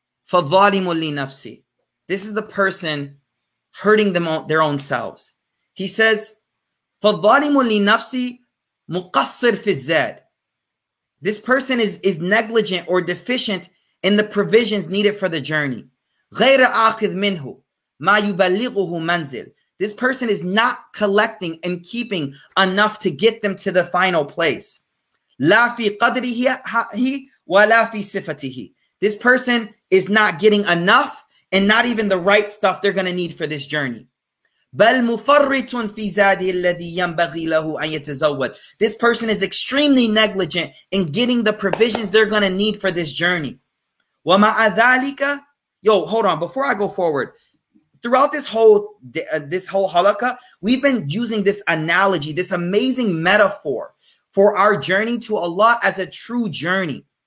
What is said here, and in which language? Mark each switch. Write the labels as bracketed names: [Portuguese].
[Arabic] فَظَالِمُ لِنَفْسِي. [English] This is the person hurting them their own selves. He says, [Arabic] فَظَالِمُ لِنَفْسِي مُقَصِّرْ فِي الزَّادِ. [English] This person is negligent or deficient in the provisions needed for the journey. [Arabic] غير آخذ منه ما يبلغه منزل. [English] This person is not collecting and keeping enough to get them to the final place. [Arabic] لا في قدره ولا في صفته. [English] This person is not getting enough and not even the right stuff they're going to need for this journey. [Arabic] بل مفرط في زاده الذي ينبغي له أن يتزود. [English] This person is extremely negligent in getting the provisions they're going to need for this journey. [Arabic] ومع ذلك, [English] yo, hold on, before I go forward, throughout this whole halakha, we've been using this analogy, this amazing metaphor for our journey to Allah as a true journey.